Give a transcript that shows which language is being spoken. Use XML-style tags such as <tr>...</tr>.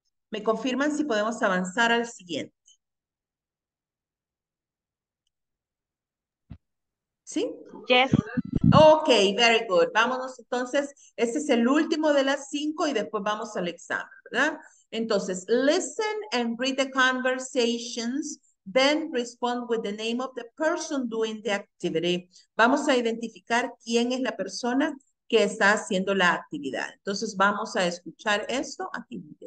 <es>¿Me confirman si podemos avanzar al siguiente? ¿Sí?</es> <en>Yes. Ok, very good.</en> <es>Vámonos entonces. Este es el último de las 5 y después vamos al examen, ¿verdad?</es> <en>Entonces, listen and read the conversations. Then respond with the name of the person doing the activity.</en> <es>Vamos a identificar quién es la persona que está haciendo la actividad. Entonces, vamos a escuchar esto aquí.</es>